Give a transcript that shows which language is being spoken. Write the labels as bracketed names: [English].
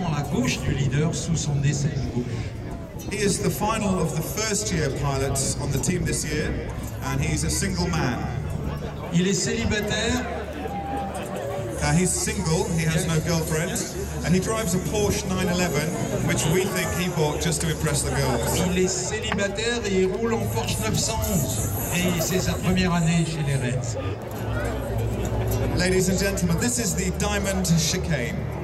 [English] He is the final of the first year pilots on the team this year, and he's a single man. [French] Il est célibataire. [English] He's single, he has no girlfriend, and he drives a Porsche 911, which we think he bought just to impress the girls. [French] Il est célibataire et il roule en Porsche 911, et c'est sa première année chez les Reds. [English] Ladies and gentlemen, this is the diamond chicane.